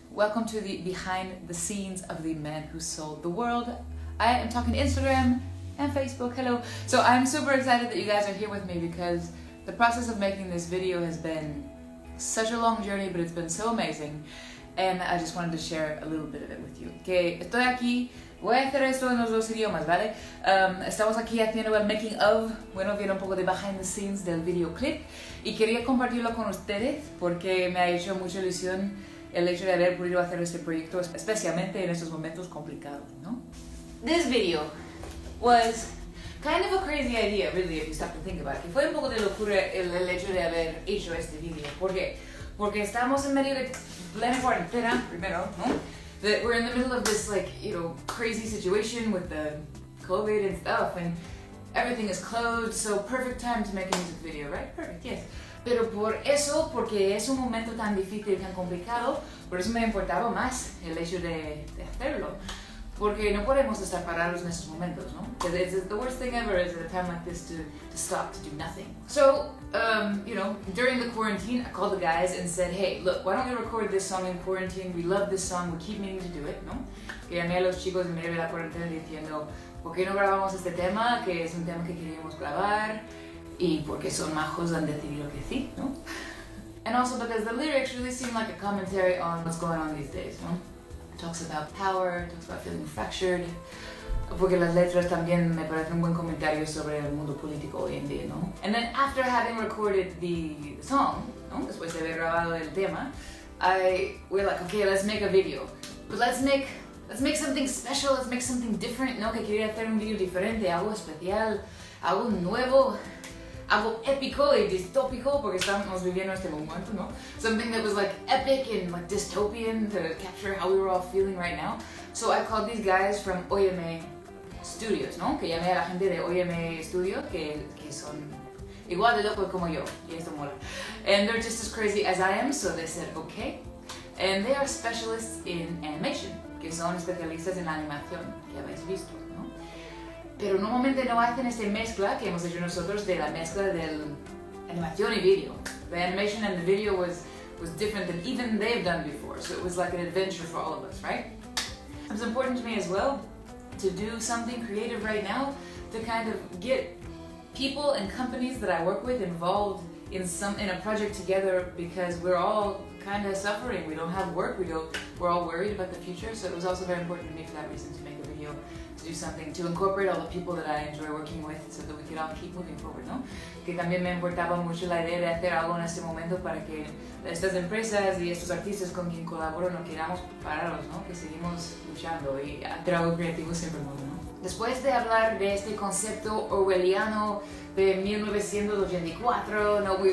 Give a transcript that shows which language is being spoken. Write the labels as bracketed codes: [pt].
[en] Welcome to the behind the scenes of the man who sold the world. I am talking Instagram and Facebook, hello. So I'm super excited that you guys are here with me because the process of making this video has been such a long journey, but it's been so amazing. And I just wanted to share a little bit of it with you. [es] Que estoy aquí, voy a hacer esto en los dos idiomas, ¿vale? Estamos aquí haciendo el making of, bueno, viendo un poco de behind the scenes del videoclip. Y quería compartirlo con ustedes porque me ha hecho mucha ilusión el hecho de haber podido hacer este proyecto, especialmente en estos momentos complicados, ¿no? [en] This video was kind of a crazy idea, really, if you stop to think about it. [es] Que fue un poco de locura el hecho de haber hecho este video. ¿Por qué? Porque estamos en medio de plena cuarentena, primero, ¿no? [en] That we're in the middle of this, like, you know, crazy situation with the COVID and stuff, and everything is closed, so perfect time to make a music video, right? Perfect, yes. [es] Pero por eso, porque es un momento tan difícil, tan complicado, por eso me importaba más el hecho de hacerlo. Porque no podemos estar parados en estos momentos, ¿no? [en] Because it's the worst thing ever is at a time like this to stop, to do nothing. So, you know, during the quarantine, I called the guys and said, hey, look, why don't we record this song in quarantine? We love this song, we keep meaning to do it, ¿no? [es] Que llamé a los chicos en medio de la cuarentena diciendo, ¿por qué no grabamos este tema? Que es un tema que queríamos grabar. Y porque son majos han decidido que sí, ¿no? [en] And also because the lyrics really seem like a commentary on what's going on these days, ¿no? Talks about power, talks about feeling fractured. [es] Porque las letras también me parecen un buen comentario sobre el mundo político hoy en día, ¿no? [en] And then after having recorded the song, ¿no? [es] Después de haber grabado el tema, [en] we're like, okay, let's make a video. But let's make something special, let's make something different, [es] ¿no? Que quería hacer un video diferente, algo especial, algo nuevo. Algo épico y distópico, porque estamos viviendo este momento, ¿no? [en] Something that was like epic and like dystopian to capture how we were all feeling right now. So I called these guys from Oyeme Studios, ¿no? [es] Que llamé a la gente de Oyeme Studios, que son igual de locos como yo, y esto mola. [en] And they're just as crazy as I am, so they said okay. And they are specialists in animation, [es] que son especialistas en la animación, que habéis visto. Pero normalmente no hacen esta mezcla que hemos hecho nosotros de la mezcla de animación y video. [en] The animation and the video was different than even they've done before. So it was like an adventure for all of us, right? It was important to me as well to do something creative right now to kind of get people and companies that I work with involved in a project together because we're all kind of suffering. We don't have work, we're all worried about the future. So it was also very important to me for that reason to make a video. To do something, to incorporate all the people that I enjoy working with so that we can all keep moving forward, ¿no? [es] Que también me importaba mucho la idea de hacer algo en este momento para que estas empresas y estos artistas con quien colaboro no queramos pararlos, ¿no? Que seguimos luchando y hacer algo creativo siempre mola, ¿no? Después de hablar de este concepto orwelliano de 1984, ¿no?